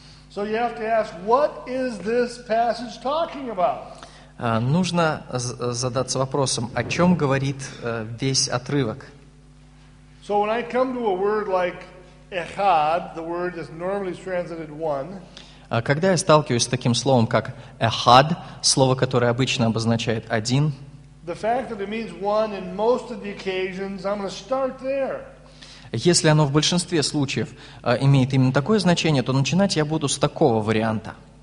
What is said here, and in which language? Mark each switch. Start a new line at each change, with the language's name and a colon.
English: So you have to ask, what is this passage talking about?
Russian: Нужно задаться вопросом, о чем говорит весь отрывок.
English: So when I come to a word like echad, the word is normally translated one.
Russian: Когда я сталкиваюсь с таким словом, как echad, слово, которое обычно обозначает один.
English: The fact that it means one in most of the occasions, I'm going to start there.
Russian: Если оно в большинстве случаев имеет именно такое значение, то начинать я буду с такого варианта.